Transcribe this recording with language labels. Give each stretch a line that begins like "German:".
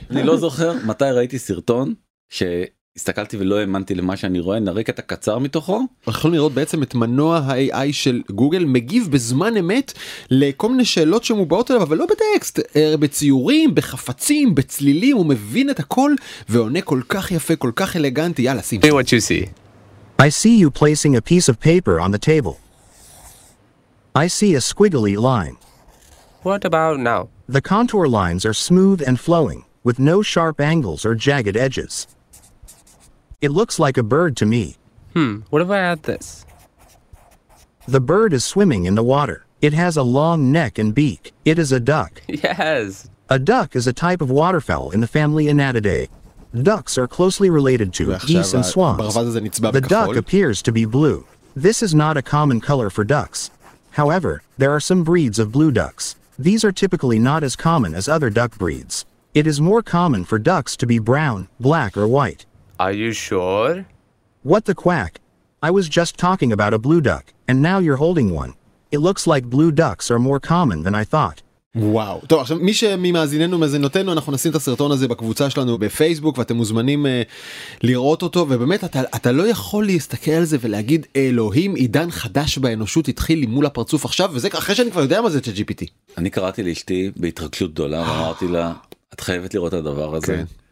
Hebrew: אני לא זוכר מתי ראיתי סרטון ש... הסתכלתי ולא האמנתי למה שאני רואה, נרק את הקצר מתוכו. יכולים לראות בעצם את מנוע ה-AI של גוגל, מגיב בזמן אמת לכל מיני שאלות שמובעות עליו, אבל לא בטקסט, בציורים, בחפצים, בצלילים, הוא מבין את הכל, ועונה כל כך יפה, כל כך אלגנטי, יאללה, שים.
English: Hey, what you see? I see you placing a piece of paper on the table. I see a squiggly line. What about now? The contour lines are smooth and flowing, with no sharp angles or jagged edges. It looks like a bird to me. Hmm, what if I add this? The bird is swimming in the water. It has a long neck and beak. It is a duck. Yes! A duck is a type of waterfowl in the family Anatidae. Ducks are closely related to geese and swans. The duck appears to be blue. This is not a common color for ducks. However, there are some breeds of blue ducks. These are typically not as common as other duck breeds. It is more common for ducks to be brown, black, or white. Are you sure? What the quack? I was just talking about a blue duck, and now you're holding one. It looks like blue ducks are more common than I thought.
Hebrew: וואו, טוב, עכשיו מי שממאזיננו מזינותינו, אנחנו נשים את הסרטון הזה בקבוצה שלנו בפייסבוק, ואתם מוזמנים לראות אותו, ובאמת אתה לא יכול להסתכל על זה ולהגיד, אלוהים, עידן חדש באנושות התחיל לי מול הפרצוף עכשיו, וזה אחרי שאני כבר יודע מה זה של GPT. אני קראתי לאשתי בהתרגשות גדולה, אמרתי לה, את חייבת לראות את הדבר הזה.